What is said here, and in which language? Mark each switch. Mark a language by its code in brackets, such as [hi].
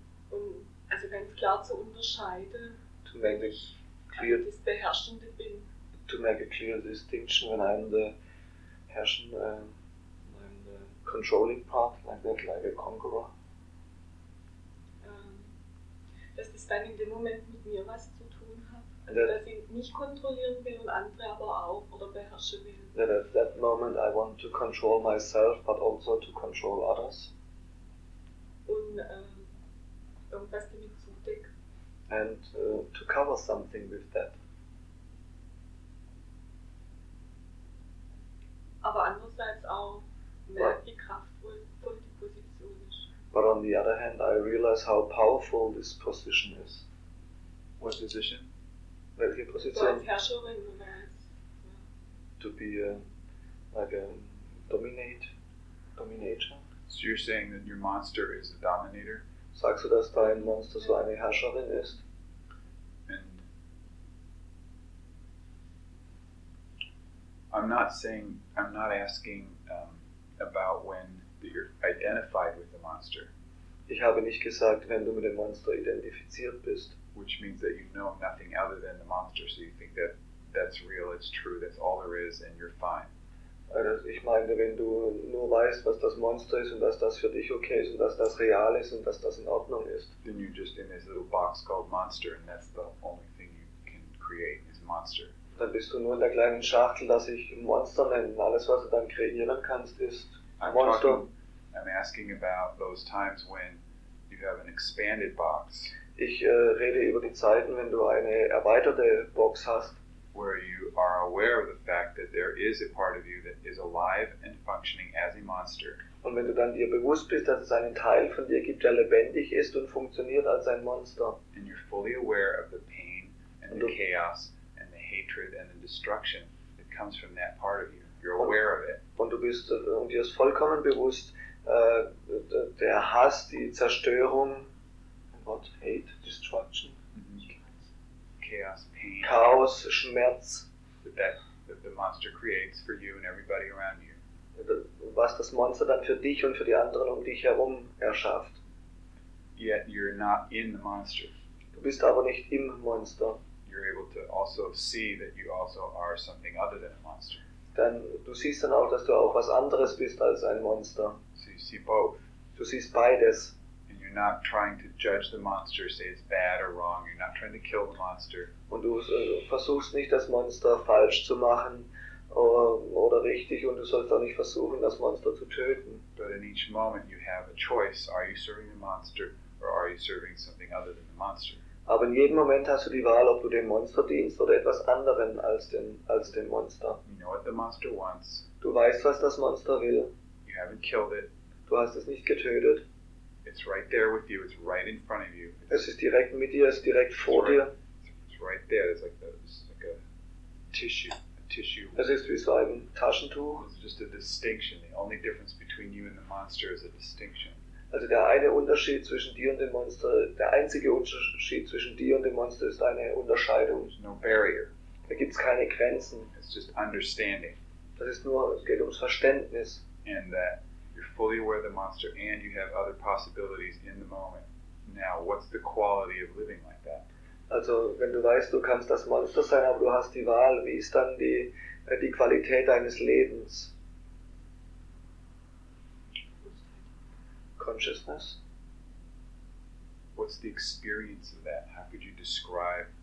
[de] Also ganz klar zu unterscheiden, [en] to make it clear, [de] das Beherrschende bin. [en] To make a clear distinction when I'm the herrschen, I'm the controlling part, like that, like a conqueror. [de] Dass das dann in dem Moment mit mir was zu tun hat. Also, that, dass ich mich kontrollieren will und andere aber auch oder beherrschen will. [en] That at that moment I want to control myself, but also to control others. [de] Und irgendwas damit zudeck. [en] And to cover something with that. [de] Aber andererseits auch merke, wie kraftvoll die Position ist. [en] But on the other hand, I realize how powerful this position is. What position? [de] Welche Position? Als Herrscherin oder als, [en] ja. To be like a dominator. So you're saying that your monster is a dominator? [de] Sagst du, dass dein Monster so eine Herrscherin ist? [en] And I'm not saying, I'm not asking about when you're identified with the monster. [de] Ich habe nicht gesagt, wenn du mit dem Monster identifiziert bist. [en] Which means that you know nothing other than the monster, so you think that that's real, it's true, that's all there is, and you're fine. [de] Also ich meine, wenn du nur weißt, was das Monster ist und dass das für dich okay ist und dass das real ist und dass das in Ordnung ist. [en] Then you're just in this little box called monster, and that's the only thing you can create is monster. [de] Dann bist du nur in der kleinen Schachtel, dass ich Monster nenne. Alles, was du dann kreieren kannst, ist Monster. [en] I'm asking about those times when you have an expanded box. [de] Ich rede über die Zeiten, wenn du eine erweiterte Box hast. [en] Where you are aware of the fact that there is a part of you that is alive and functioning as a monster. [de] Und wenn du dann dir bewusst bist, dass es einen Teil von dir gibt, der lebendig ist und funktioniert als ein Monster. [en] And you're fully aware of the pain and the chaos and the hatred and the destruction that comes from that part of you. You're aware of it. [de] Und du bist und dir ist vollkommen bewusst, der Hass, die Zerstörung. [en] What? Hate, destruction, chaos, pain, [de] Chaos, Schmerz, [en] that the monster creates for you and everybody around you. [de] Was das Monster dann für dich und für die anderen um dich herum erschafft. [en] Yet you're not in the monster. [de] Du bist aber nicht im Monster. [en] You're able to also see that you also are something other than a monster. [de] Dann du siehst dann auch, dass du auch was anderes bist als ein Monster. [en] So you see both. [de] Du siehst beides. [en] Not trying to judge the monster, say it's bad or wrong. You're not trying to kill the monster. [de] Und du versuchst nicht, das Monster falsch zu machen oder richtig, und du sollst auch nicht versuchen, das Monster zu töten. [en] But in each moment you have a choice: Are you serving the monster or are you serving something other than the monster? [de] Aber in jedem Moment hast du die Wahl, ob du dem Monster dienst oder etwas anderem als dem Monster. [en] You know what the monster wants. [de] Du weißt, was das Monster will. [en] You haven't killed it. [de] Du hast es nicht getötet. [en] It's right there with you. It's right in front of you. [de] Es ist direkt mit dir. Es ist direkt vor dir. [en] It's right there. It's like, it's like a tissue. [de] Es ist wie so ein Taschentuch. [en] It's just a distinction. The only difference between you and the monster is a distinction. [de] Also der eine Unterschied zwischen dir und dem Monster, der einzige Unterschied zwischen dir und dem Monster ist eine Unterscheidung. [en] There's no barrier. [de] Da gibt's keine Grenzen. [en] It's just understanding. [de] Das ist nur, es geht ums Verständnis. [en] And that. You're fully aware of the monster and you have other possibilities in the moment. Now, what's the quality of living like that? [de] Also, wenn du weißt, du kannst das Monster sein, aber du hast die Wahl, wie ist dann die Qualität deines Lebens? [en] consciousness. What's the experience of that? How could you describe?